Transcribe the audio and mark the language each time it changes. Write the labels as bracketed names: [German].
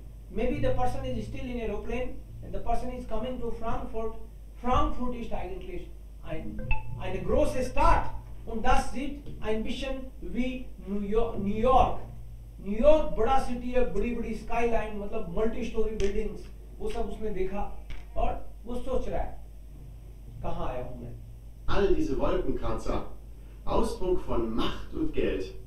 [English] Maybe the person is still in aeroplane and the person is coming to Frankfurt. [German] Frankfurt ist eigentlich eine große Stadt und das sieht ein bisschen wie New York. [Hindi] New York, बड़ा city है, बड़ी बड़ी skyline, मतलब multi storey buildings, वो सब उसने देखा और वो सोच रहा है कहाँ आया हूँ मैं। [German] All diese Wolkenkratzer, Ausdruck von Macht und Geld.